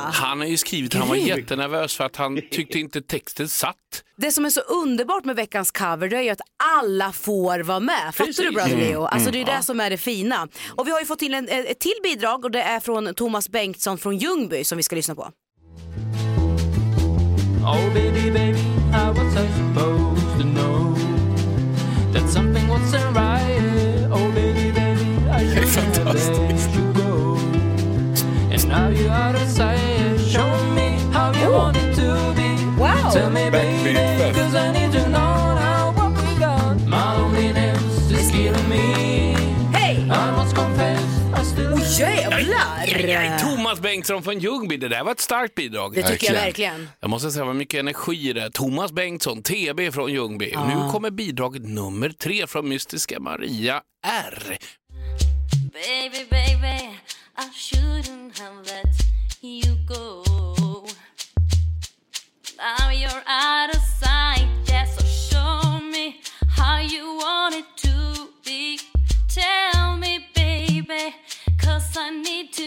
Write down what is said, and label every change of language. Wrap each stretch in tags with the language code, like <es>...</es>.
<sv>Han har ju skrivit, han var jättenervös för att han tyckte inte texten satt. Det som är så underbart med veckans cover, det är ju att alla får vara med. Fattar du bra, Leo? Alltså det är det som är det fina. Och vi har ju fått till ett till bidrag. Och det är från Thomas Bengtsson från Ljungby som vi ska lyssna på.</sv> <en>Oh baby baby, how was I supposed to know that something wasn't right? Oh baby baby, I should have let you go. And now you're out of sight. Show me how you want it to be. Wow. Tell me baby, cause I need to know now what we got. My loneliness is killing me. Hey, I must confess.</en> <sv>Jävlar! Ja, Thomas Bengtsson från Ljungby, det där var ett starkt bidrag. Det tycker jag verkligen. Jag måste säga, vad mycket energi det. Thomas Bengtsson, TB från Ljungby. Nu kommer bidraget nummer 3 från mystiska Maria R.</sv> <en>Baby, baby, I shouldn't have let you go. Now you're out of sight, yes, so show me how you want it to be. Tell me, baby, 'cause I need</en>